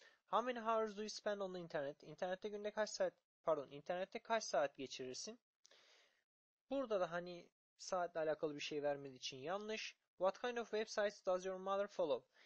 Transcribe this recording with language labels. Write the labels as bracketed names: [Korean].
[English] How many hours do you spend on the internet? [Turkish] İnternette günde kaç saat, internette kaç saat geçirirsin? Burada da hani saatle alakalı bir şey vermediği için yanlış. [English] What kind of websites does your mother follow?